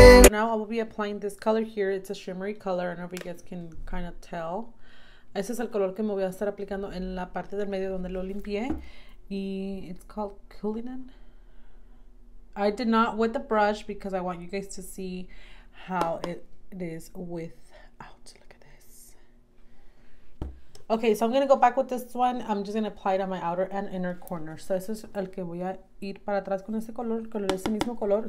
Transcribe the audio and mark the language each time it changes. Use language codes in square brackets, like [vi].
[en] Now I will be applying this color here. It's a shimmery color. I don't know if you guys can kind of tell. [es] Ese es el color que me voy a estar aplicando en la parte del medio donde lo limpié. [en] Y it's called Cullinan. I did not wet the brush because I want you guys to see how it is without. Look at this. Okay, so I'm going to go back with this one. I'm just going to apply it on my outer and inner corner. [es] So ese es el que voy a ir para atrás con ese color, con ese mismo color.